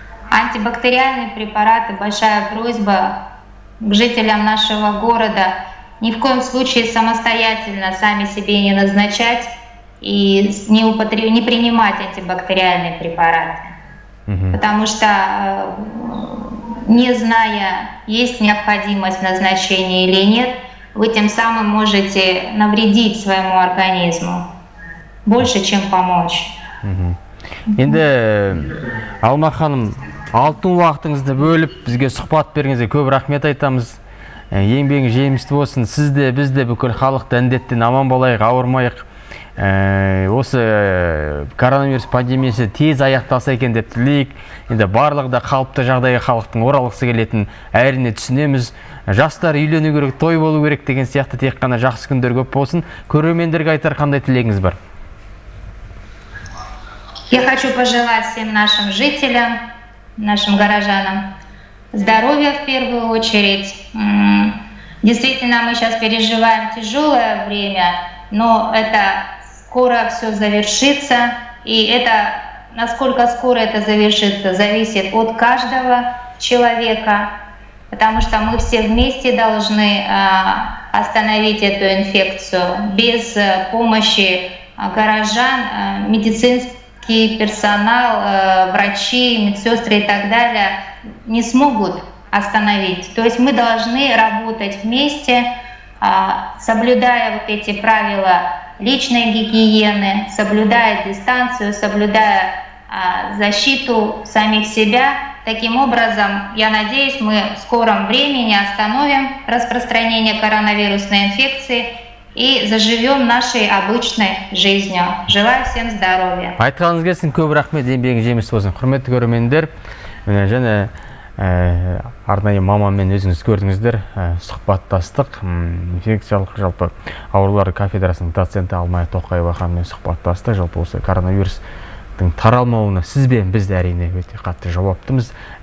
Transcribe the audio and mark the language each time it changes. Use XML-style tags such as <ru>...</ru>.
<ru>Антибактериальные препараты, большая просьба к жителям нашего города ни в коем случае самостоятельно сами себе не назначать и не принимать антибактериальные препараты. Потому что, не зная, есть необходимость в назначении или нет, вы тем самым можете навредить своему организму больше, чем помочь.</ru> <kk>Енді Алма ханым, алтын уақытыңызды бөліп, бізге сұхбат бергеніңізге көп рахмет айтамыз. Еңбегің жемісті болсын, сіз де, біз де бүкіл халық дәндеттен аман болайық, ауырмайық. Осы коронавирус пандемиясы тез аяқталса екен деп тілейік. Енді барлығы да қалыпты жағдайға халықтың оралғысы келетін әрине түсінеміз. Жастар үйлену керек, той болу керек деген сияқты тек қана жақсы күндер көп болсын. Көрермендерге айтар қандай тілегіңіз бар?</kk> <ru>Я хочу пожелать всем нашим жителям, нашим горожанам здоровья в первую очередь. Действительно, мы сейчас переживаем тяжелое время, но это скоро все завершится, и это, насколько скоро это завершится, зависит от каждого человека. Потому что мы все вместе должны остановить эту инфекцию. Без помощи горожан, медицинский персонал, врачи, медсестры и так далее не смогут остановить. То есть мы должны работать вместе, соблюдая вот эти правила личной гигиены, соблюдая дистанцию, соблюдая защиту самих себя. Таким образом, я надеюсь, мы в скором времени остановим распространение коронавирусной инфекции и заживем нашей обычной жизнью. Желаю всем здоровья.</ru> <kk>Айтқаныңызға сын көп рахмет, еңбегің жемісті болсын. Құрметті көрермендер, және арнайы мамамен өзіңіз көрдіңіздер, сұхбаттастық, инфекциялық жалпы аурулар кафедрасының доценті Алмая Тоқаева ханыммен сұхбаттастық, жалпы осы коронавирус таралмауына сізбен біз әрине өте қатты жауаптымыз.</kk>